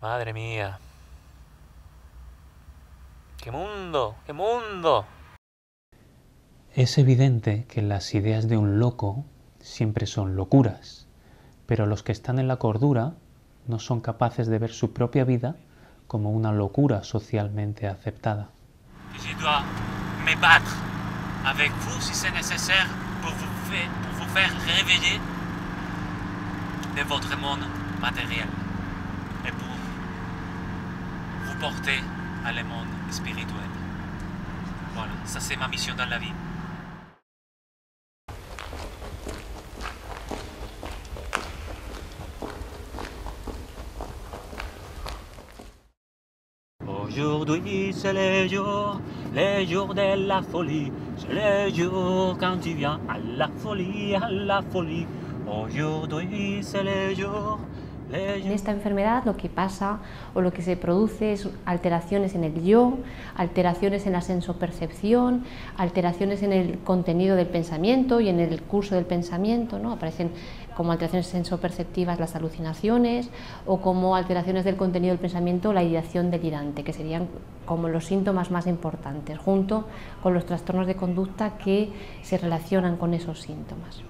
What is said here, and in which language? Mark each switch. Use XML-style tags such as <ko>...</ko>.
<es>Madre mía, qué mundo, qué mundo. Es evidente que las ideas de un loco siempre son locuras. Pero los que están en la cordura no son capaces de ver su propia vida como una locura socialmente aceptada.</es> <fr>Je dois me battre avec vous si c'est nécessaire pour vous faire réveiller de votre monde matériel et pour vous porter à le monde spirituel. Voilà, ça c'est ma mission dans la vie. Aujourd'hui c'est le jour de la folie, c'est le jour quand tu viens à la folie, aujourd'hui c'est le jour.</fr> <es>En esta enfermedad lo que pasa o lo que se produce es alteraciones en el yo, alteraciones en la sensopercepción, alteraciones en el contenido del pensamiento y en el curso del pensamiento, ¿no? Aparecen como alteraciones sensoperceptivas las alucinaciones o como alteraciones del contenido del pensamiento la ideación delirante, que serían como los síntomas más importantes, junto con los trastornos de conducta que se relacionan con esos síntomas.</es>